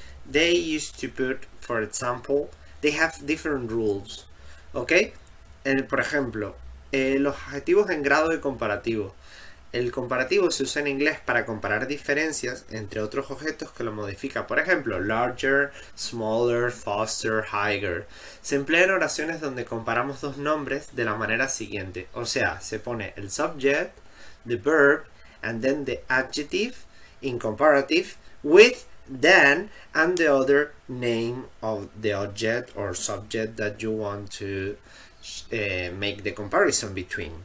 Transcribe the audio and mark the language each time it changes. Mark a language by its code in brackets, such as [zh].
[en] They used to put, for example, they have different rules. ¿Ok? [es] Por ejemplo, los adjetivos en grado de comparativo. El comparativo se usa en inglés para comparar diferencias entre otros objetos que lo modifica. Por ejemplo, larger, smaller, faster, higher. Se emplea en oraciones donde comparamos dos nombres de la manera siguiente. O sea, se pone el [en] subject, the verb, and then the adjective in comparative with then and the other name of the object or subject that you want to make the comparison between.